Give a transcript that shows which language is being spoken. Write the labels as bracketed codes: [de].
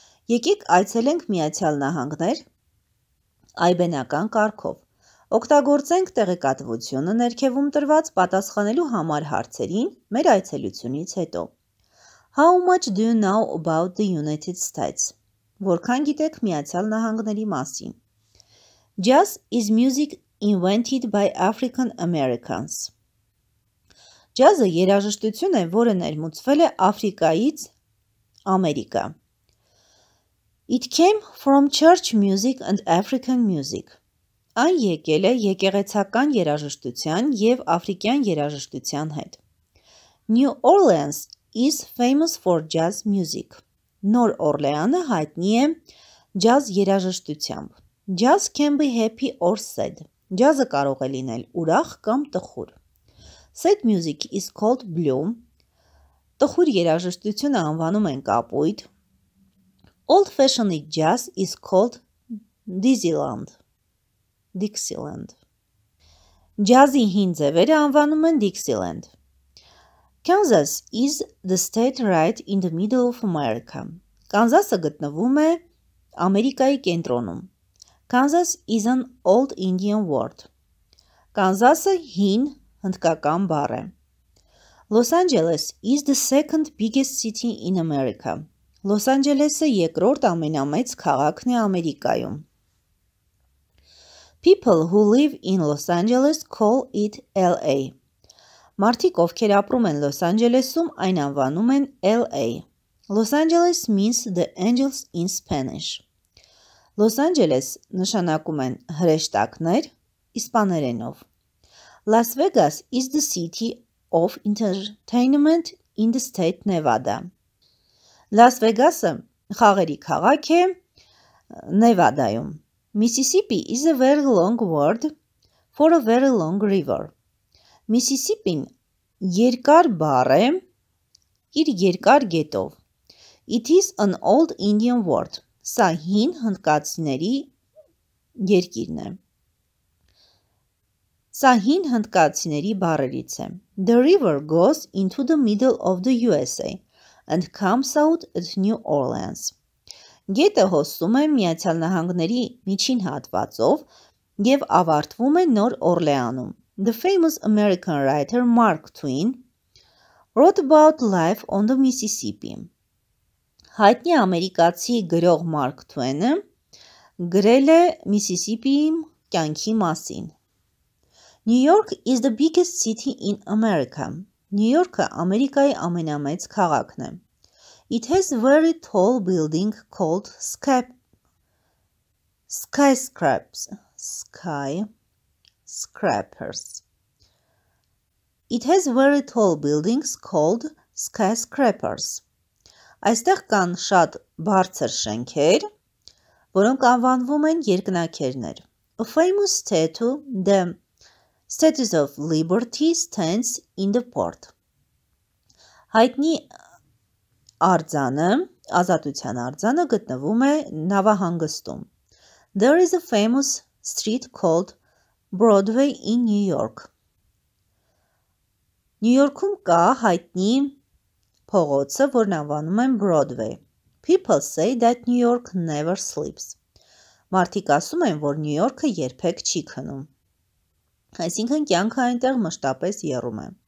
[hy] Եկեք այցելենք Միացյալ Նահանգներ այբենական կարգով։ Օգտագործենք տեղեկատվությունը ներքևում տրված պատասխանելու համար հարցերին մեր այցելությունից հետո։ [en] How much do you know about the United States? [hy] Որքան գիտեք Միացյալ Նահանգների մասին։ [en] Jazz is music invented by African Americans. [hy] Ջազը երաժշտություն է, որը ներմուծվել է Աֆրիկայից Ամերիկա։ [en] It came from church music and African music. [hy] Այն եկել է եկեղեցական երաժշտության և աֆրիկյան երաժշտության հետ։ [en] New Orleans is famous for jazz music. [hy] Նոր Օրլեանը հայտնի է ջազ երաժշտությամբ։ [en] Jazz can be happy or sad. [hy] Ջազը կարող է լինել ուրախ կամ տխուր։ [en] Sad music is called blue. [hy] Տխուր երաժշտությունը անվանում են կապույտ։ [en] Old-fashioned jazz is called Dixieland. Dixieland. [hy] Ջազի հին ձևերը անվանում են Dixieland. [en] Kansas is the state right in the middle of America. [hy] Կանզասը գտնվում է Ամերիկայի կենտրոնում։ [en] Kansas is an old Indian word. [hy] Կանզասը հին հնդկական բառ է։ [en] Los Angeles is the second biggest city in America. [hy] Los Angeles-ը երկրորդ ամենամեծ քաղաքն է Ամերիկայում։ [en] People who live in Los Angeles call it LA. [hy] Մարդիկ, ովքեր ապրում են Los Angeles-ում, այն անվանում են LA. [en] Los Angeles means the angels in Spanish. [hy] Los Angeles նշանակում են հրեշտակներ իսպաներենով։ [en] Las Vegas is the city of entertainment in the state Nevada. [hy] Las Vegas-ը խաղերի քաղաք է Նևադայում։ [en] Mississippi is a very long word for a very long river. [hy] Mississippi-ն երկար բառ է իր երկար գետով։ [en] It is an old Indian word. [hy] Սա հին հնդկացիների երկիրն է։ Սա հին հնդկացիների բարերից է։ [en] The river goes into the middle of the USA and comes out at New Orleans. [hy] Գետը հոսում է Միացյալ Նահանգների միջին հատվածով և ավարտվում է Նոր Օրլեանում։ [en] The famous American writer Mark Twain wrote about life on the Mississippi. [hy] Հայտնի ամերիկացի գրող Մարկ Թուենը գրել է Միսիսիպիի կյանքի մասին։ [en] New York is the biggest city in America. [hy] New York-ը Ամերիկայի ամենամեծ քաղաքն է։ [en] It has a very tall building called skyscrapers. It has very tall buildings called skyscrapers. [hy] Այստեղ կան շատ բարձր շենքեր, որոնք անվանվում են երկնաքերներ։ [en] A famous statue, the Statue of Liberty, stands in the port. [hy] Հայտնի արձանը, ազատության արձանը գտնվում է նավահանգստում։ [en] There is a famous street called Broadway in New York. [hy] New York-ում կա հայտնի փողոցը, որն անվանում են Broadway. [en] People say that New York never sleeps. [hy] Մարդիկ ասում են, որ Նյու Յորքը երբեք չի քնում։ Այսինքն կյանքը այնտեղ մշտապես եռում է։